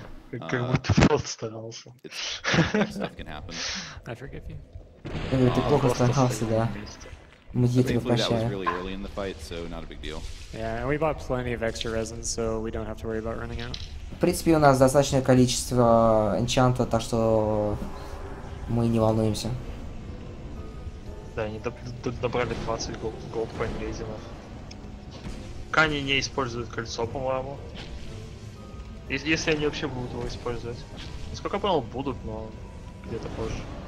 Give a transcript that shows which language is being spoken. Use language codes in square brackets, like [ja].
[ru] Как будто Фелд старался. Я говорю, ты плохо старался, да. Мы тебя прощаем. [en] We bought plenty of extra resin, so we don't have to worry about running out. [ru] В принципе, у нас достаточное количество энчанта, так что мы не волнуемся. Да, они добрали 20 голд по инвейзинов. Кани не используют кольцо, по-моему. Если они вообще будут его использовать. Сколько, по-моему, будут, но где-то позже.